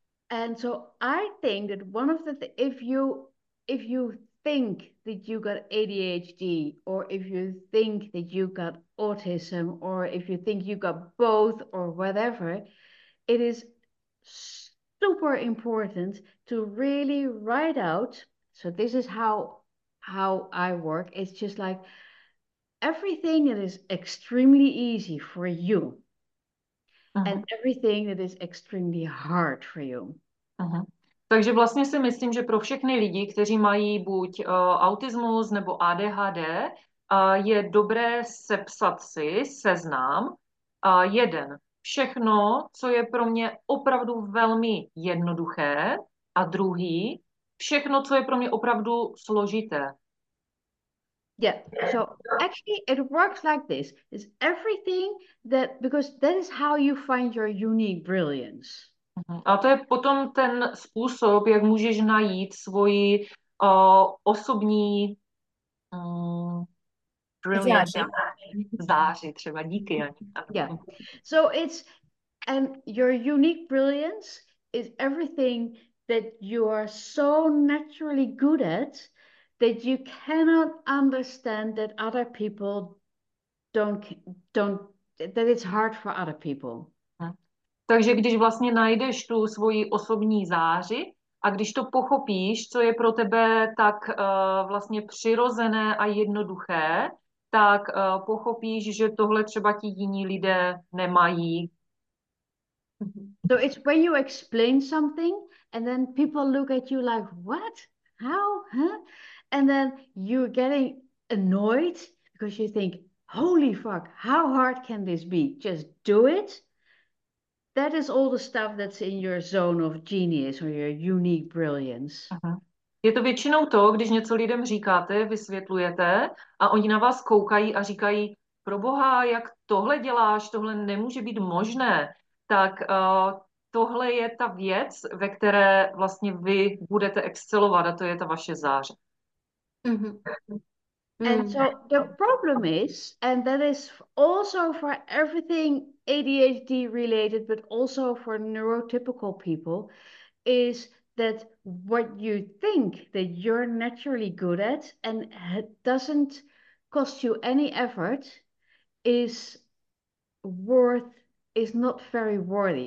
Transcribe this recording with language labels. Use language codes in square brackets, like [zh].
[en] And so I think that one of the th if you think that you got ADHD, or if you think that you got autism, or if you think you got both or whatever, it is super important to really write out. So this is how I work. It's just like everything that is extremely easy for you, and everything that is extremely hard for you. [cs] Takže vlastně si myslím, že pro všechny lidi, kteří mají buď autismus nebo ADHD, je dobré sepsat si seznam jeden. Všechno, co je pro mě opravdu velmi jednoduché, a druhý, všechno, co je pro mě opravdu složité. [en] Yeah, so actually it works like this. It's everything that, because that is how you find your unique brilliance. [cs] A to je potom ten způsob, jak můžeš najít svoji osobní brilliance, Záři. záři třeba. Díky, Janí. Ano. [en] Yeah, so it's, and your unique brilliance is everything that you are so naturally good at that you cannot understand that other people don't that it's hard for other people. [cs] Takže když vlastně najdeš tu svoji osobní záři a když to pochopíš, co je pro tebe tak vlastně přirozené a jednoduché, tak pochopíš, že tohle třeba ti jiní lidé nemají. [en] So it's when you explain something and then people look at you like, "What? How? Huh?" And then you're getting annoyed because you think, "Holy fuck, how hard can this be? Just do it." That is all the stuff that's in your zone of genius or your unique brilliance. [cs] Je to většinou to, když něco lidem říkáte, vysvětlujete a oni na vás koukají a říkají, pro Boha, jak tohle děláš, tohle nemůže být možné, tak tohle je ta věc, ve které vlastně vy budete excelovat a to je ta vaše záře. [en] And so the problem is, and that is also for everything ADHD related, but also for neurotypical people, is that what you think that you're naturally good at and doesn't cost you any effort is not very worthy.